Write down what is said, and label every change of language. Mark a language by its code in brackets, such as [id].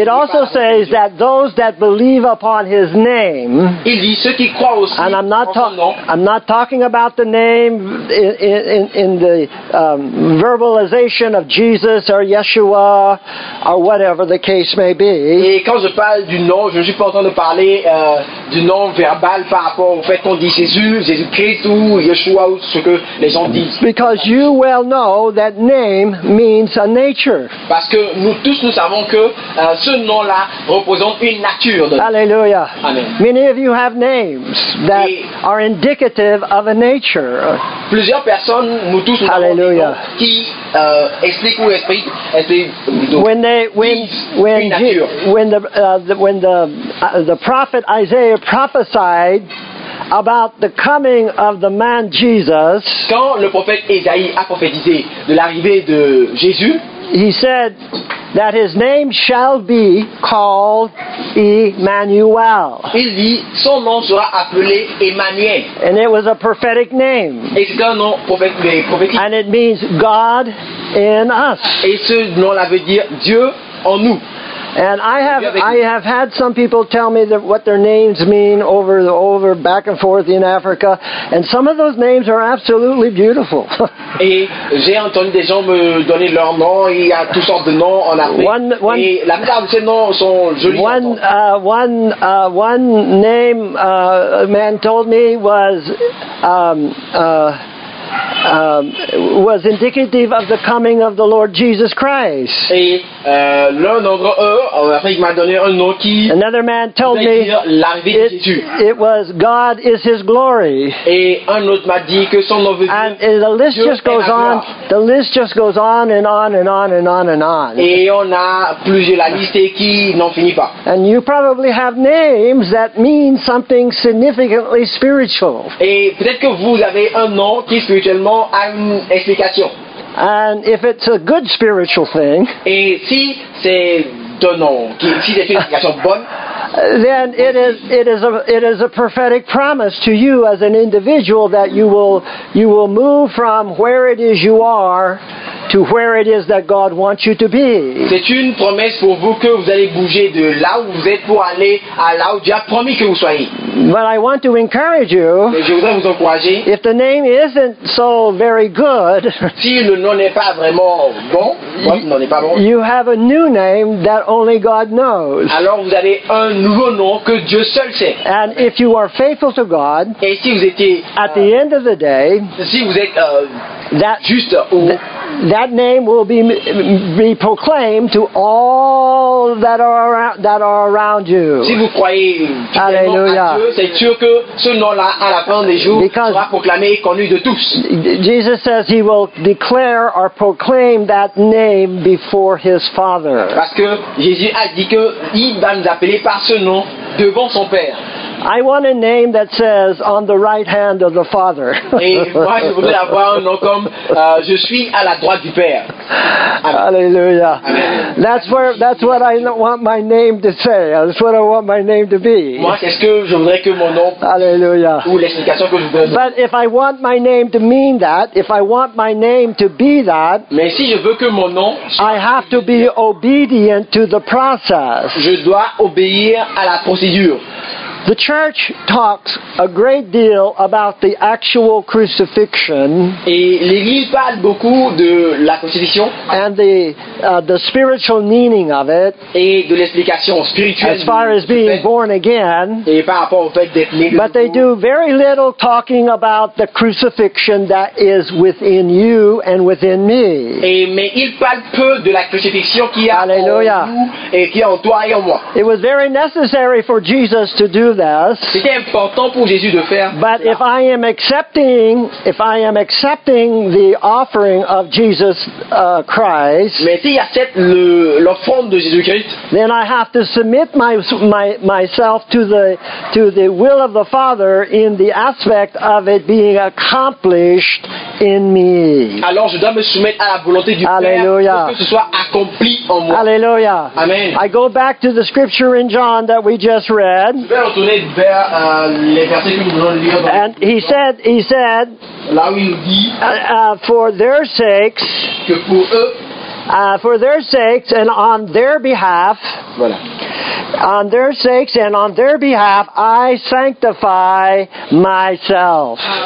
[en] It also says that those that believe upon his name, [fr] il dit ceux qui croient aussi [en] and I'm not talking about the name in the verbalization of Jesus or Yeshua or whatever the case may be. [fr] Et quand je parle du nom, je ne suis pas en train de parler du nom verbal par rapport au fait qu'on dit Jésus, Jésus-Christ ou Yeshua ou ce que les gens disent. [en] Because you well know that name means a nature. [fr] Parce que nous tous nous savons que ce nom-là représente une nature. [en] Hallelujah. Amen. Many of you have names that are indicative of a nature. [fr] Plusieurs personnes, nous tous, nous [en] Hallelujah. [fr] Avons des noms qui expliquent ou expliquent. [en] When the prophet Isaiah prophesied about the coming of the man Jesus. [fr] Quand le prophète Ésaïe a prophétisé de l'arrivée de Jésus, [en] he said that his name shall be called Emmanuel. [fr] Il dit son nom sera appelé Emmanuel. [en] And it was a prophetic name. [fr] Et c'est un nom prophétique. [en] And it means God in us. [fr] Et ce nom-là veut dire Dieu en nous. [en] And I have had some people tell me that what their names mean over back and forth in Africa, and some of those names are absolutely beautiful. [fr] Et j'ai entendu des gens me donner leur nom. Il y a toutes sortes de noms en Afrique. [en] One, [fr] et la plupart de ces noms sont jolis. [en] One name a man told me was. Was indicative of the coming of the Lord Jesus Christ. [fr] Et l'un d'entre eux, en Afrique, m'a donné un nom qui. [en] Another man told me [fr] l'arrivée de Jésus. [en] It was God is His glory. [fr] Et un autre m'a dit que son nom veut dire. [en] And the list [fr] Dieu [en] just goes on. The list just goes on and on and on and on and on. [fr] Et on a plusieurs la liste qui n'en finit pas. [en] And you probably have names that mean something significantly spiritual. [fr] Et peut-être que vous avez un nom qui est spirituellement a une explication. [en] And if it's a good spiritual thing, [fr] et si c'est un nom, si c'est une explication bonne, [en] then it is a prophetic promise to you as an individual that you will move from where it is you are to where it is that God wants you to be. [fr] C'est une promesse pour vous que vous allez bouger de là où vous êtes pour aller à là où Dieu a promis que vous soyez. [en] But I want to encourage you. [fr] Mais je voudrais vous encourager. [en] If the name isn't so very good, [fr] si le nom n'est pas vraiment bon, [en] you have a new name that only God knows. [fr] Alors vous avez un nouveau nom que Dieu seul sait. [en] And if you are faithful to God, [fr] et si vous étiez, [en] at the end of the day, [fr] si vous êtes [en] that [fr] juste ou [en] that name will be proclaimed to all that are around you. [fr] Si vous croyez tellement à Dieu, c'est sûr que ce nom-là, à la fin des jours, [en] because [fr] sera proclamé et connu de tous. [en] Jesus says he will declare or proclaim that name before his Father. [fr] Parce que Jésus a dit que il va nous appeler par ce nom devant son Père. [en] I want a name that says on the right hand of the Father. [fr] Et moi, je voudrais avoir un nom comme je suis à la droite du Père. Alléluia. [en] That's what I want my name to say. That's what I want my name to be. [fr] Moi, c'est ce que je voudrais que mon nom. Alléluia. Ou l'explication que je donne. [en] But if I want my name to mean that, if I want my name to be that, [fr] mais si je veux que mon nom, [en] I have to be obedient to the process. [fr] Je dois obéir à la procédure. [en] The church talks a great deal about the actual crucifixion. [fr] Et l'Église parle beaucoup de la crucifixion. [en] And the spiritual meaning of it. [fr] Et de l'explication spirituelle. [en] As far as being born again. [fr] Et par rapport au fait d'être né de nouveau. [en] But they do very little talking about the crucifixion that is within you and within me. [fr] Et mais ils parlent peu de la crucifixion qui est en vous et qui est en toi et en moi. [en] It was very necessary for Jesus to do. [fr] C'était important pour Jésus de faire. [en] But [fr] cela. [en] if I am accepting the offering of Jesus Christ, [fr] mais si j'accepte l'offrande de Jésus-Christ, [en] then I have to submit myself to the will of the Father in the aspect of it being accomplished in me. [fr] Alors je dois me soumettre à la volonté du [en] Alléluia. [fr] Père pour que ce soit accompli en moi. [en] Alléluia. Amen. I go back to the scripture in John that we just read. And he said, for their sakes, and on their behalf, on their sakes and on their behalf, I sanctify myself.